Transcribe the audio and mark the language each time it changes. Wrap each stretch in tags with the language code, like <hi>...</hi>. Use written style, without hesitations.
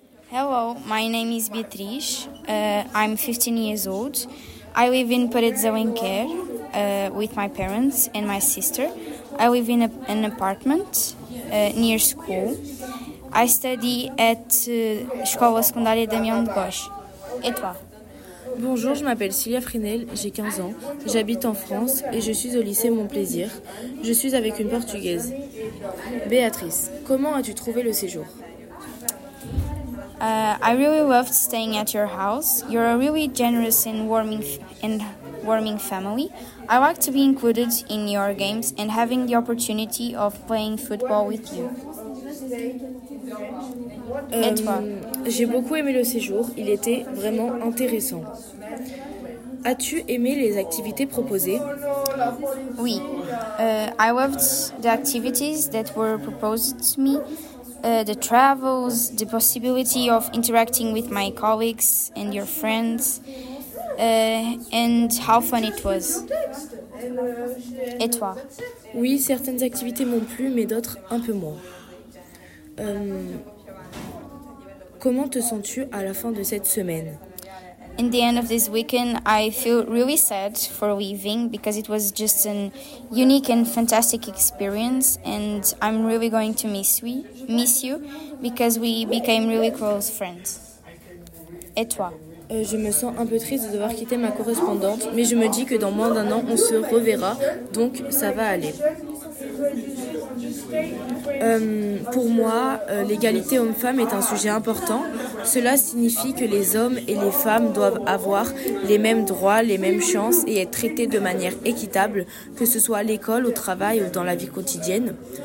<en>Hello, my name is Beatrice. I'm 15 years old. I live in Paredzão in Quer with my parents and my sister. I live in an apartment near school. I study at Escola Secundária Damião de Góis.</en> <fr>Et toi? Bonjour, je m'appelle Cilia Frinel, j'ai 15 ans, j'habite en France et je suis au lycée Montplaisir. Je suis avec une Portugaise. Béatrice, comment as-tu trouvé le séjour?</fr> <en>I really loved staying at your house. You're a really generous and warming family. I like to be included in your games and having the opportunity of playing football with you.</en> <fr>Et toi? J'ai beaucoup aimé le séjour. Il était vraiment intéressant. As-tu aimé les activités proposées? Oui.</fr> <en>I loved the activities that were proposed to me. The travels, the possibility of interacting with my colleagues and your friends, and how fun it was.</en> <fr>Et toi? Oui, certaines activités m'ont plu, mais d'autres un peu moins. Comment te sens-tu à la fin de cette semaine?</fr> <en>In the end of this weekend, I feel really sad for leaving because it was just an unique and fantastic experience, and I'm really going to miss you because we became really close friends.</en> <fr>Et toi? Je me sens un peu triste de devoir quitter ma correspondante, mais je me dis que dans moins d'un an, on se reverra, donc ça va aller. Pour moi, l'égalité homme-femme est un sujet important. Cela signifie que les hommes et les femmes doivent avoir les mêmes droits, les mêmes chances et être traités de manière équitable, que ce soit à l'école, au travail ou dans la vie quotidienne.</fr>